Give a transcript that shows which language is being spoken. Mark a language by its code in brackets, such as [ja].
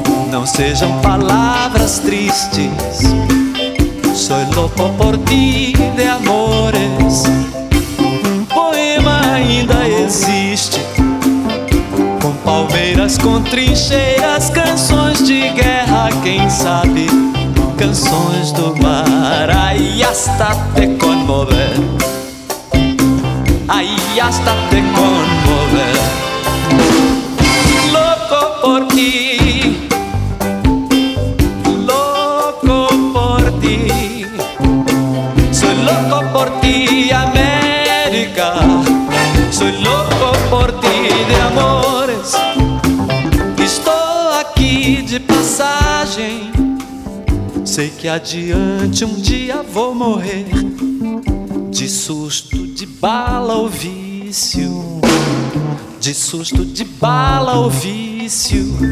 [pt] Não sejam palavras tristes, [es] soy loco por ti de amores. [pt] Um poema ainda existe, com palmeiras, com trincheiras, canções de guerra, quem sabe, canções do mar. [es] Ai, hasta te conmover, ahí hasta te conmover. Loco por ti, loco por ti, soy loco por ti, América, soy loco por ti de amores. [pt] Estou aquí de passagem, sei que adiante un día vou morrer, de susto, de bala ou vício, de susto, de bala ou vício,